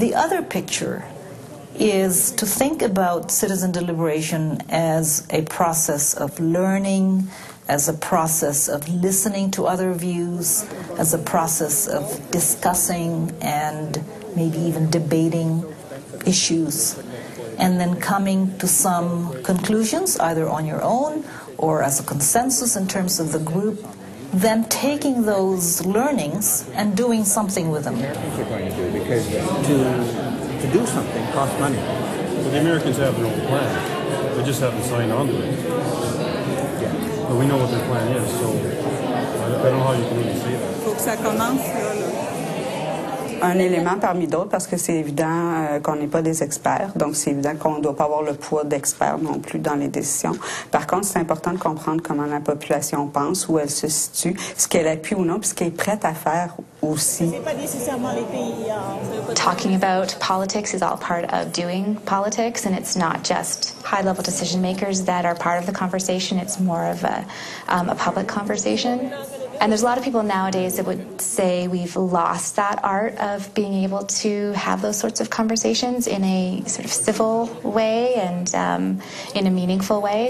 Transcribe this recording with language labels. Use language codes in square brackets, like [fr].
[en] The other picture is to think about citizen deliberation as a process of learning, as a process of listening to other views, as a process of discussing and maybe even debating issues, and then coming to some conclusions, either on your own or as a consensus in terms of the group, then taking those learnings and doing something with them. To do something costs money. So the Americans have their own plan. They just haven't signed on to it. Yeah. But we know what their plan is, so I don't know how you can really see it. [fr] Faut que ça commence. Un élément parmi d'autres, parce que c'est évident qu'on n'est pas des experts, donc c'est évident qu'on ne doit pas avoir le poids d'experts non plus dans les décisions. Par contre, c'est important de comprendre comment la population pense, où elle se situe, ce qu'elle appuie ou non, puis ce qu'elle est prête à faire aussi. C'est pas nécessairement les pays. [en] Talking about politics is all part of doing politics, and it's not just high-level decision makers that are part of the conversation, it's more of a public conversation. And there's a lot of people nowadays that would say we've lost that art of being able to have those sorts of conversations in a sort of civil way and in a meaningful way.